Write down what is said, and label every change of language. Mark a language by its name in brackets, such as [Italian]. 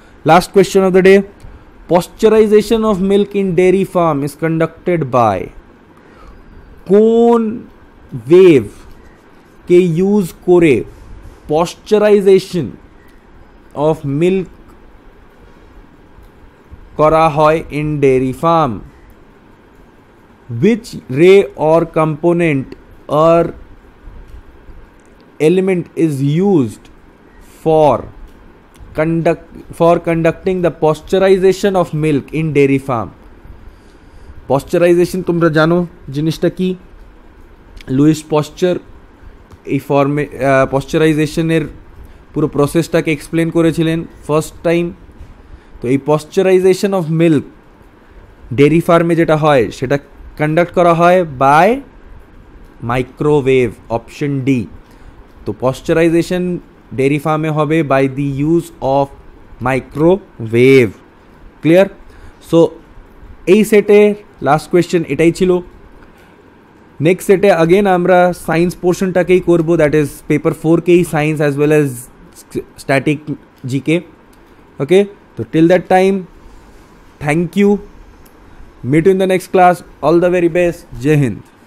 [English] Last question of the day, pasteurization of milk in dairy farm is conducted by? [Bangla] কোন ওয়েভকে use করে পশ্চারাইজেশন of milk করা হয় in dairy farm? [English] Which ray or component or element is used for conducting the pasteurization of milk in dairy farm? [Bangla] Pasteurization tumra jano jinish ta ki, Louis Pasteur ei form pasteurization er puro process ta ke explain korechilen first time. To ei pasteurization of milk dairy farm e jeta hoy seta conduct করা হয় by microwave, option D. তো পশ্চারাইজেশন dairy ফার্মে হবে by the use of microwave. Clear? So এই সেটে last question এটাই ছিল. Next সেটে আগেন আমরা সায়েন্স পোর্শনটাকেই করব, that is paper ফোরকেই science as well as static GK. [English] Okay, তো till that time thank you. Meet you in the next class. All the very best. [Hindi] Jai Hind.